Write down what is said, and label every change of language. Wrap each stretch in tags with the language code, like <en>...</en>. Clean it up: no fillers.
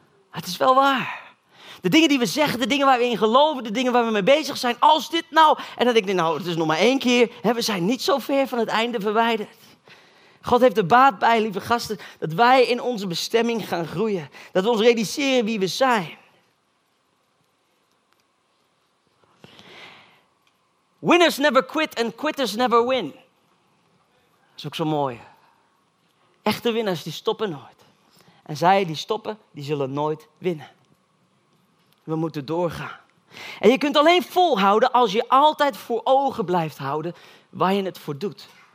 <nl>Het is wel waar. De dingen die we zeggen, de dingen waar we in geloven, de dingen waar we mee bezig zijn, als dit nou... En dan denk ik, nou, het is nog maar 1 keer. Hè, we zijn niet zo ver van het einde verwijderd. God heeft er baat bij, lieve gasten, dat wij in onze bestemming gaan groeien. Dat we ons realiseren wie we zijn.</nl> <en>Winners never quit and quitters never win.</en> <nl>Dat is ook zo mooi. Echte winnaars, die stoppen nooit. En zij die stoppen, die zullen nooit winnen. We moeten doorgaan. En je kunt alleen volhouden als je altijd voor ogen blijft houden waar je het voor doet.</nl>